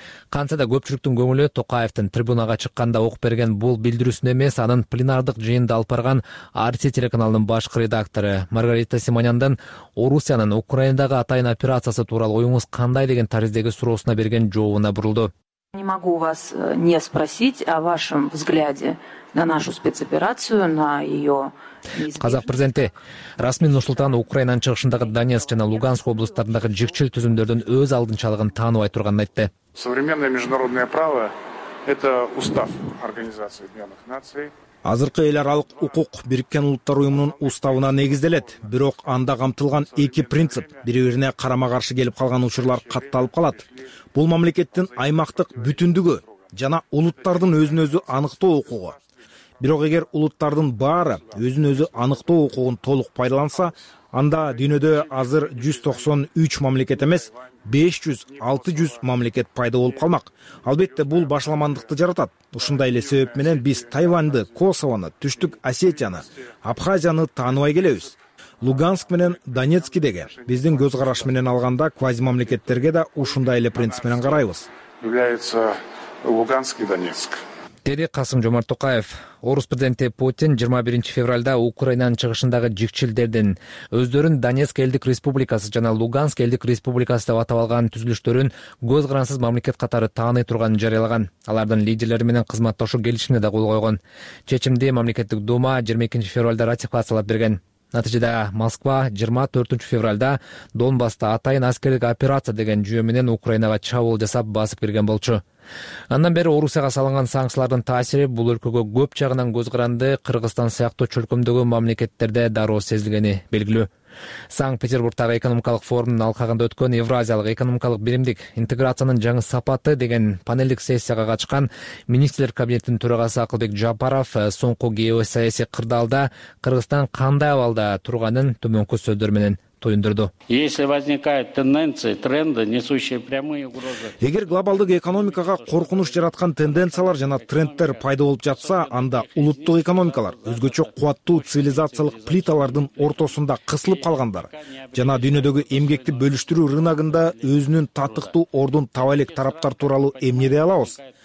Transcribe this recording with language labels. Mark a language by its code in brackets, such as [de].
[ky] Кантсе да көпчүлүктүн көңүлү Токаевдин трибунага чыкканда окуп берген бул билдирүүсүн эмес, анын пленардык жыйынды алып барган RT телеканалынын башкы редактору Маргарита Симоняндын Орусиянын Украинадагы атайын операциясы тууралуу оюңуз кандай деген тарздагы суроосуна берген жообуна бурулду. [ru] Не могу вас не спросить о вашем взгляде на нашу спецоперацию, на ее. [ky] Казак президенти расмий Нурсултан Украинанын чыгышындагы Донецк жана Луганск облустарындагы жикчил түзүмдөрдүн өз алдынчалыгын тааныбай турганын айтты. [ru] Современное международное право – это устав Организации Объединенных Наций. [ky] Азыркы эл аралык укук Бириккен Улуттар Уюмунун уставына негизделет, бирок анда камтылган эки принцип бири бирине карама каршы келип калган учурлар катталып калат. Бул мамлекеттин аймактык бүтүндүгү жана улуттардын өзүн өзү аныктоо укугу. Бирок эгер улуттардын баары өзүн өзү аныктоо укугун толук пайдаланса, анда дүйнөдө азыр 193 мамлекет эмес 500-600 мамлекет пайда болуп калмак. Албетте бул башаламандыкты жаратат. Ушундай эле себеп менен биз Тайваньды, Косовону, Түштүк Осетияны, Абхазияны тааныбай келебиз. Луганск менен Донецкидеги биздин көз караш менен алганда квазимамлекеттерге да ушундай эле принцип менен карайбыз. [ru] Является Луганск и Донецк. [ky] Деди Касым Жомарт Токаев. Орус президенти Путин 21 февралда Украинанын чыгышындагы жикчилдердин өздөрүн Донецк элдик республикасы жана Луганск элдик республикасы деп атап алган түзүлүштөрүн көз карансыз мамлекет катары тааный турганын жарыялаган. Алардын лидерлери менен кызматташуу келишимине да кол койгон. Чечимди мамлекеттик дума 22 февралда ратификациялап берген. Натыйжада Москва 24 февралда Донбасста атайын аскерлик операция деген жүйө менен Украинага чабуул жасап басып кирген болчу. Андан бери Орусияга салынган санкциялардын таасири бул өлкөгө көп жагынан көз каранды, Кыргызстан сыяктуу чөлкөмдөгөн мамлекеттерде дароо сезилгени белгилүү. Санкт-Петербургтагы экономикалык форумдун алкагында өткөн Евразиялык экономикалык биримдик интеграциянын жаңы сапаты деген панелдик сессияга катышкан министрлер кабинетинин төрагасы Акылбек Жапаров соңку геосаясий кырдаалда Кыргызстан кандай абалда турганын төмөнкү сөздөр менен туюндурду. [ru] Если возникают тенденции, тренды, несущие прямые угрозы. [ky] Эгер глобалдык экономикага коркунуч жараткан тенденциялар жана трендтер пайда болуп жатса, анда улуттук экономикалар, өзгөчө кубаттуу цивилизациялык плиталардын ортосунда кысылып калгандар жана дүйнөдөгү эмгекти бөлүштүрүү рыногунда өзүнүн татыктуу ордун таба элек тараптар тууралуу эмне дей алабыз?